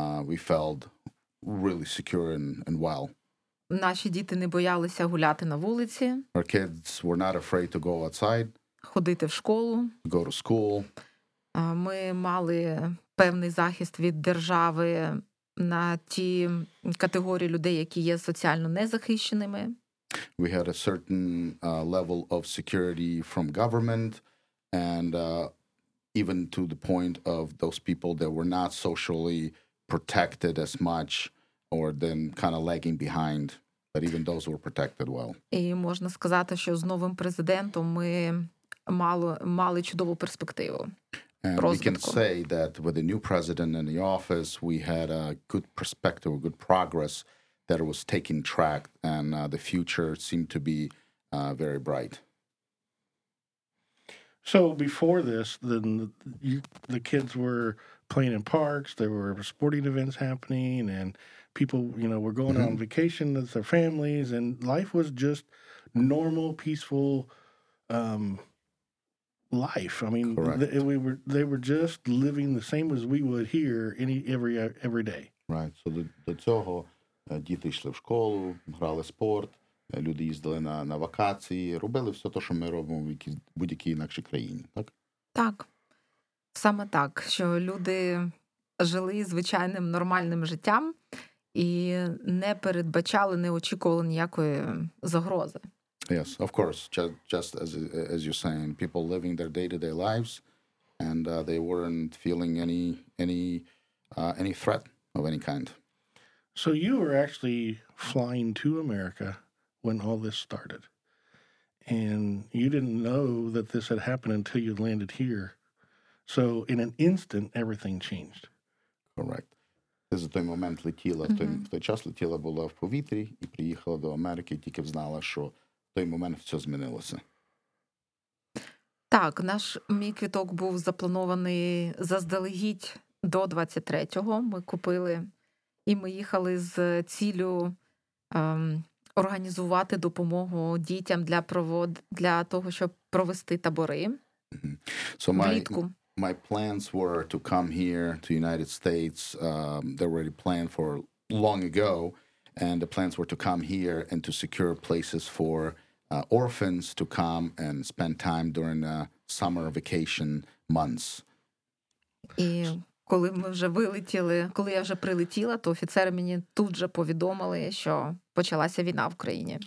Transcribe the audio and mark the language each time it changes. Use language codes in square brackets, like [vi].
[en] We felt really secure and well. [uk] Наші діти не боялися гуляти на вулиці. [en] Our kids were not afraid to go outside. [uk] Ходити в школу. [en] Go to school. [uk] Ми мали певний захист від держави на ті категорії людей, які є соціально незахищеними. [en] We had a certain level of security from government and even to the point of those people that were not socially protected as much or then kind of lagging behind, but even those were protected well. [uk] І можна сказати, що з новим президентом ми мали чудову перспективу. [en] And we can say that with the new president in the office, we had a good perspective, a good progress that was taking track, and the future seemed to be very bright. So before this, then the kids were playing in parks, there were sporting events happening, and people, you know, were going on vacation with their families, and life was just normal, peaceful life. I mean, they were just living the same as we would here every day. Right. [uk] So до цього діти йшли в школу, грали спорт, люди їздили на вакації, робили все те, що ми робимо в будь-якій інакшій країні, так? Так. Саме так, що люди жили звичайним нормальним життям і не передбачали, не очікували ніякої загрози. [en] Yes, of course. Just as you're saying, people living their day-to-day lives, and they weren't feeling any threat of any kind. So you were actually flying to America when all this started, and you didn't know that this had happened until you landed here. So in an instant, everything changed. Correct. [uk] Ти за той момент летіла, в той час летіла була в повітрі і приїхала до Америки, тільки взнала, що в той момент все змінилося. Так, мій квіток був запланований заздалегідь до 23-го. Ми купили і ми їхали з ціллю організувати допомогу дітям для того, щоб провести табори. So влітку. [en] My plans were to come here to United States. They were already planned for long ago, and the plans were to come here and to secure places for orphans to come and spend time during summer vacation months. [uk] І коли ми вже вилетіли, коли я вже прилетіла, то офіцери мені тут же повідомили, що почалася війна в країні.